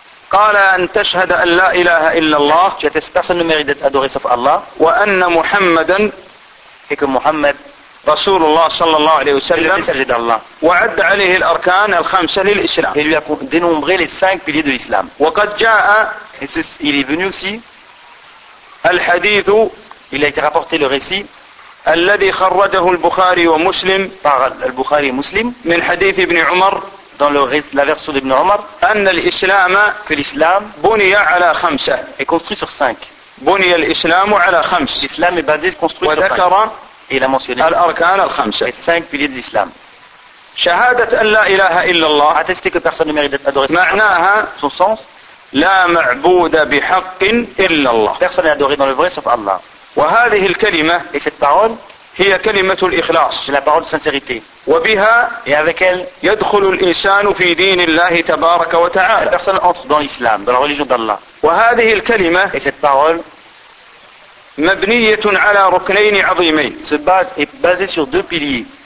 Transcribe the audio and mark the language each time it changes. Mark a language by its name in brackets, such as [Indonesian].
[Arabic] قال أن تشهد أن لا إله إلا الله, [French] tu attestes personne ne mérite d'être adoré sauf Allah, [Arabic] وأن محمدا, [French] et que Muhammad, [Arabic] رسول الله صلى الله عليه وسلم, [French] il a dit Allah, [Arabic] وعد عليه الأركان الخمسة للإسلام, [French] et lui a dénombré les cinq piliers de l'islam, [Arabic] وقد جاء, [French] il est venu aussi, [Arabic] الحديث, [French] il a été rapporté le récit, [Arabic] الذي خرجه البخاري ومسلم, البخاري ومسلم, من حديث ابن عمر, [French] dans la version d'Ibn Omar, [Arabic] أن الإسلام, [French] que l'islam, [Arabic] بني على خمسة, [French] est construit sur cinq, [Arabic] بني الإسلام على خمس, [French] l'islam est basé, construit sur cinq, [Arabic] وذكر, [French] il a mentionné, [Arabic] الأركان الخمسة, [French] les cinq piliers de l'islam, [Arabic] شهادة أن لا إله إلا الله, [French] attesté que personne ne mérite d'être adoré, [Arabic] معناها, [French] son sens, [Arabic] لا معبود بحق إلا الله, [French] personne n'est adoré dans le vrai sauf Allah. [Arabic] وهذه الكلمة, [French] et cette parole, [Arabic] هي كلمة الإخلاص, [French] c'est la parole de sincérité, [Arabic] وبها, [French] et avec elle, [Arabic] يدخل الإنسان في دين الله تبارك وتعالى, [French] la personne entre dans l'islam, dans la religion d'Allah. [Arabic] وهذه الكلمة, [French] et cette parole, [Arabic] مبنية على ركنين عظيمين, [French] est basée sur deux piliers.